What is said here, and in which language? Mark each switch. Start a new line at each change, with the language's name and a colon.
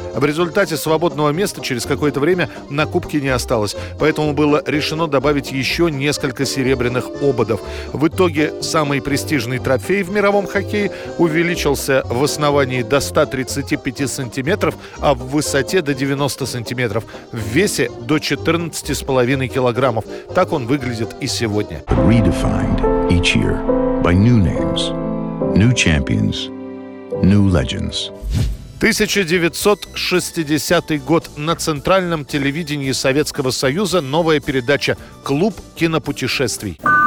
Russian: В результате свободного места через какое-то время на кубке не осталось, поэтому было решено добавить еще несколько серебряных ободов. В итоге самый престижный трофей в мировом хоккее увеличился в основании до 135 сантиметров, а в высоте до 90 сантиметров, в весе до 14,5 килограммов. Так он выглядит и сегодня.
English: Redefined each year by new names, new champions, new legends.
Russian: 1960 год. На центральном телевидении Советского Союза новая передача «Клуб кинопутешествий».